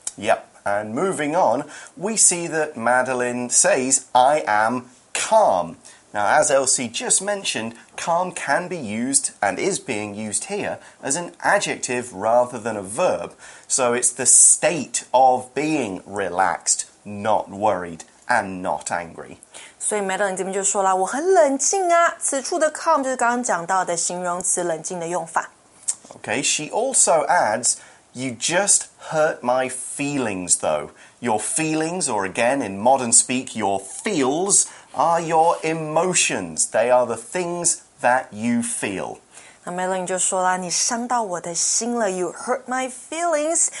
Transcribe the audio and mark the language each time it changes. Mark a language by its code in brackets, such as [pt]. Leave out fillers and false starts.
[en] Yep, and moving on, we see that Madeline says, I am calm. Now, as Elsie just mentioned, calm can be used, and is being used here, as an adjective rather than a verb. So it's the state of being relaxed, not worried, and not angry. [zh] 所以 Madeline 这边就说了，我很冷静啊。此处的 calm 就是刚刚讲到的形容词冷静的用法。 [en] Okay, she also adds, you just hurt my feelings, though. Your feelings, or again, in modern speak, your feels... are your emotions. They are the things that you feel. [zh] 那 Melody 就说了你伤到我的心了 [en] You hurt my feelings.